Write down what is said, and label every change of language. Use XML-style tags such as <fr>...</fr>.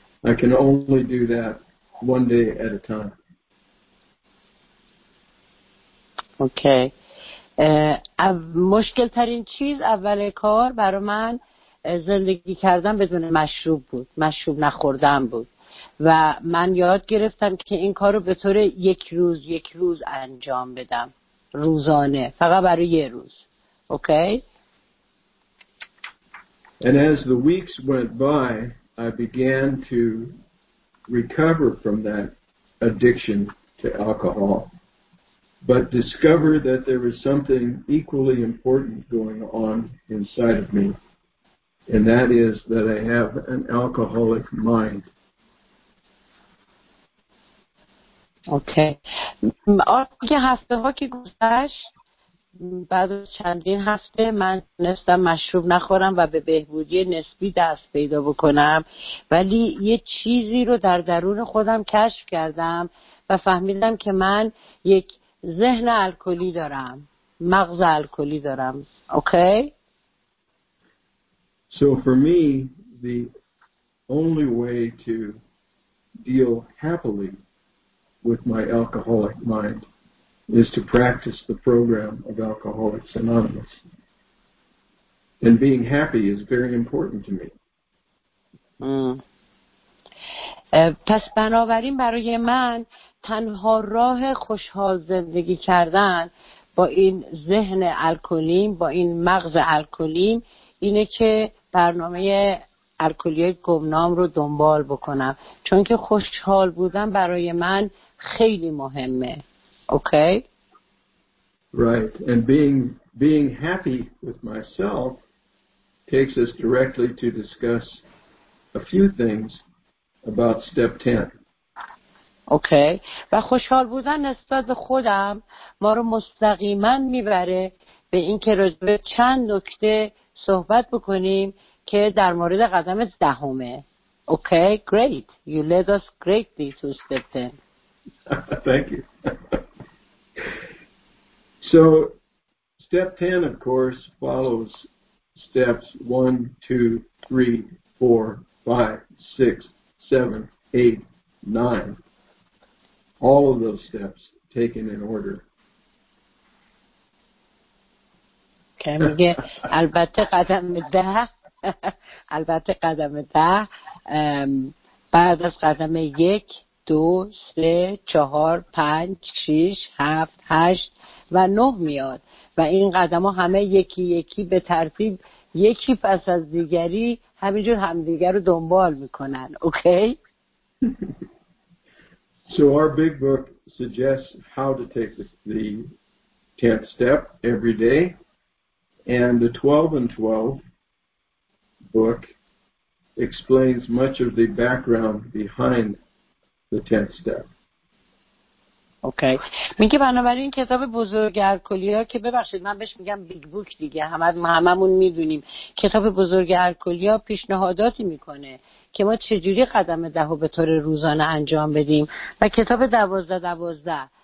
<en>I can only do that one day at a time. Okay.</en> <fa>مشکل ترین چیز اول کار برای من زندگی کردن بدون مشروب بود. مشروب نخوردن بود. و من یاد گرفتم که این کار رو به طور یک روز انجام بدم. روزانه. فقط برای یه روز. Okay.</fa> <en>And as the weeks went by, I began to recover from that addiction to alcohol, but discover that there was something equally important going on inside of me, and that is that I have an alcoholic mind. Okay.</en> <fa>آقای هفته‌ها که گذشت، بعد از چندین هفته من نستم مشروب نخورم و به بهبودی نسبی دست پیدا بکنم، ولی یه چیزی رو در درون خودم کشف کردم و فهمیدم که من یک ذهن الکلی دارم، مغز الکلی دارم.</fa> <en>Okay? So for me the only way to deal happily with my alcoholic mind is to practice the program of Alcoholics Anonymous. And being happy is very important to me.</en> <fa>پس بنابراین برای من تنها راه خوشحال زندگی کردن با این ذهن الکلیم، با این مغز الکلیم، اینه که برنامه الکلی گمنام رو دنبال بکنم، چون که خوشحال بودن برای من خیلی مهمه.</fa> <en>Okay. Right. And being happy with myself takes us directly to discuss a few things about step 10. Okay.</en> <fa>و خوشحال بودن نسبت به خودم ما رو مستقیما میبره به اینکه راجع به چند نکته صحبت بکنیم که در مورد قدم دهمه.</fa> <en>Okay, great. You led us greatly to step 10. Thank you. So, step 10, of course, follows steps 1, 2, 3, 4, 5, 6, 7, 8, 9. All of those steps taken in order.</en> <fa>Okay, میگه البته قدم ده بعد از قدم 1, 2, 3, 4, 5, 6, 7, 8 و 9 میاد و این قدم ها همه یکی یکی به ترتیب یکی پس از دیگری همینجور همدیگر رو دنبال میکنن.</fa> <en>Okay? So our big book suggests how to take the 10th step every day, and the 12 and 12 book explains much of the background behind the 10th step. Okay.</en> <fa>میگه بنابراین کتاب بزرگ الکلیا که ببخشید من بهش میگم بیگ بوک دیگه، هممون میدونیم کتاب بزرگ الکلیا پیشنهاداتی میکنه که ما چجوری قدم ده رو به طور روزانه انجام بدیم و کتاب دوازده</fa>